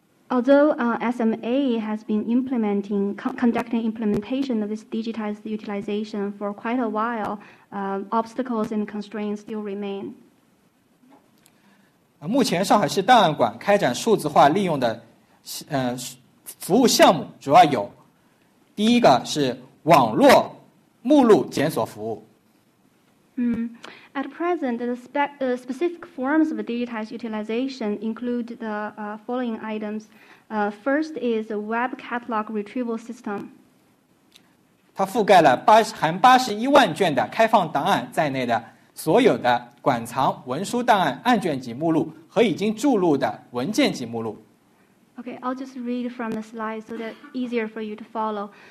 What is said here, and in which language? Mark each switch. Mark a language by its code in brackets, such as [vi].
[en] Although SMA has been conducting implementation of this digitized utilization for quite a while, obstacles and constraints still remain. [zh] 目前上海市档案馆开展数字化利用的服务项目主要有，第一个是网络目录检索服务。 [en] At present, the specific forms of digitized utilization include the following items. First is a web catalog retrieval system. [zh] 它覆盖了81万卷的开放档案在内的所有的馆藏文书档案案卷级目录和已经注入的文件级目录。 [en] Okay, I'll just read from the slide so that it's easier for you to follow.